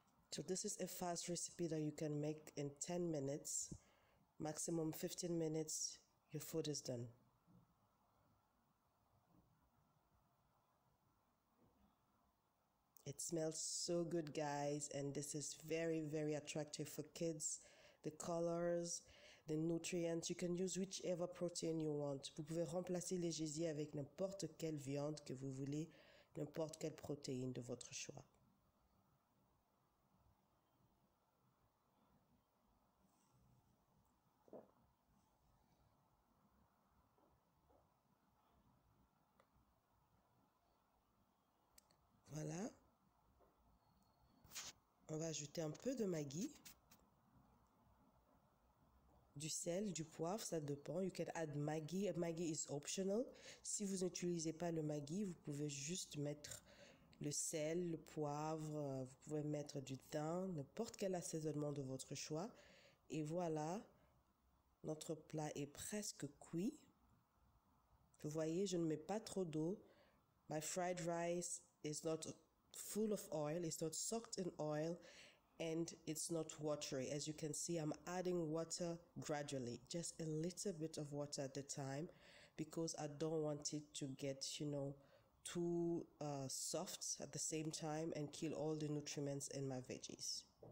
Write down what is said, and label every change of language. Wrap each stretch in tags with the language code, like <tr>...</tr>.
<en>So this is a fast recipe that you can make in 10 minutes, maximum 15 minutes, your food is done. It smells so good, guys, and this is very, very attractive for kids. The colors, the nutrients, you can use whichever protein you want.</en> <fr>Vous pouvez remplacer les gésiers avec n'importe quelle viande que vous voulez, n'importe quelle protéine de votre choix. Voilà, on va ajouter un peu de maggi, du sel, du poivre, ça dépend.</fr> <en>You can add maggi, maggi is optional.</en> <fr>Si vous n'utilisez pas le maggi, vous pouvez juste mettre le sel, le poivre, vous pouvez mettre du thym, n'importe quel assaisonnement de votre choix. Et voilà, notre plat est presque cuit. Vous voyez, je ne mets pas trop d'eau.</fr> <en>My fried rice is not full of oil, it's not soaked in oil, and it's not watery. As you can see, I'm adding water gradually, just a little bit of water at a time, because I don't want it to get, you know, too soft at the same time and kill all the nutrients in my veggies.</en>